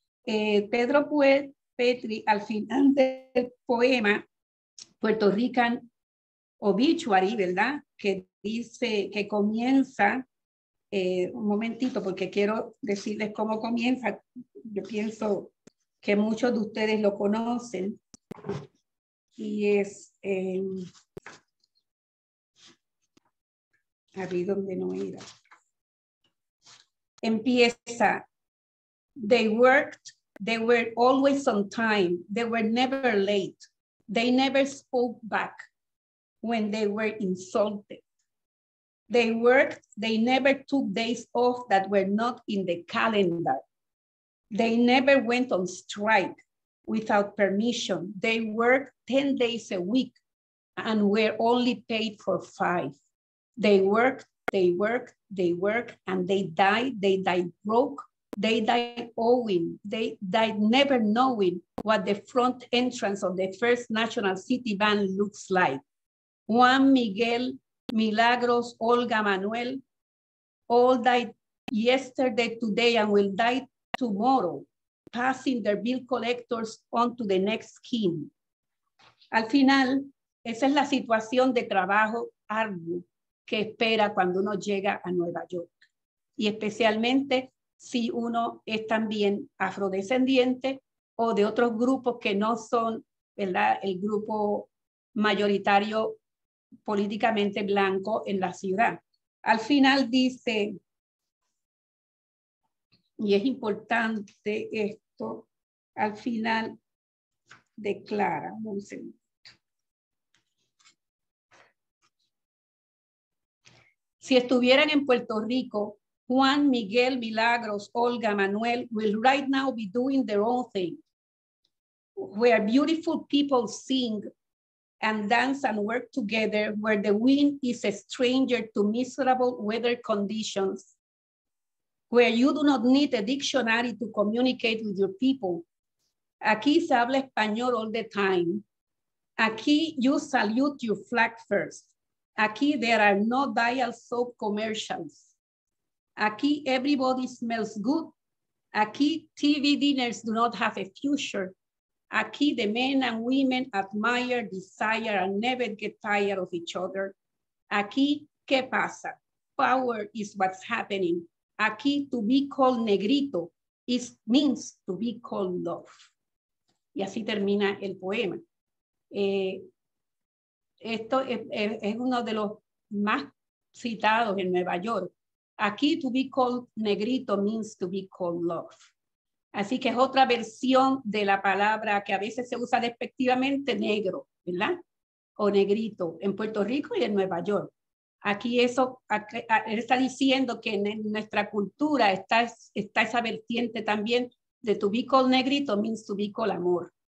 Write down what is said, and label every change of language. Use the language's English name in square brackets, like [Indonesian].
[Spanish] Pedro Pietri, al final del poema Puerto Rican Obituary, ¿verdad?, que dice, que comienza, un momentito, porque quiero decirles cómo comienza. Yo pienso que muchos de ustedes lo conocen, y es, ahí donde no era. [English] Empieza, they worked, they were always on time, they were never late, they never spoke back when they were insulted. They worked, they never took days off that were not in the calendar. They never went on strike without permission. They worked 10 days a week and were only paid for 5. They worked, they worked, they worked, and they died broke, they died owing, they died never knowing what the front entrance of the First National City Band looks like. Juan Miguel, Milagros, Olga, Manuel, all died yesterday, today, and will die tomorrow, passing their bill collectors on to the next king. [Spanish] Al final, esa es la situación de trabajo arduo que espera cuando uno llega a Nueva York. Y especialmente si uno es también afrodescendiente o de otros grupos que no son, ¿verdad?, el grupo mayoritario políticamente blanco en la ciudad. Al final dice, y es importante esto, al final declara, un segundo. [English] Si estuvieran en Puerto Rico, Juan, Miguel, Milagros, Olga, Manuel will right now be doing their own thing, where beautiful people sing and dance and work together, where the wind is a stranger to miserable weather conditions, where you do not need a dictionary to communicate with your people. [Spanish] Aquí se habla español all the time. [English] Aquí you salute your flag first. Aquí there are no Dial soap commercials. Aquí everybody smells good. Aquí TV dinners do not have a future. Aquí the men and women admire, desire, and never get tired of each other. Aquí, ¿qué pasa? Power is what's happening. Aquí, to be called negrito means to be called love. [Spanish] Y así termina el poema. Esto es uno de los más citados en Nueva York. [English] Aquí, to be called negrito means to be called love. [Spanish] Así que es otra versión de la palabra que a veces se usa despectivamente, negro, ¿verdad? O negrito, en Puerto Rico y en Nueva York. Aquí eso está diciendo que en nuestra cultura está esa vertiente también de to be called negrito means to be called amor.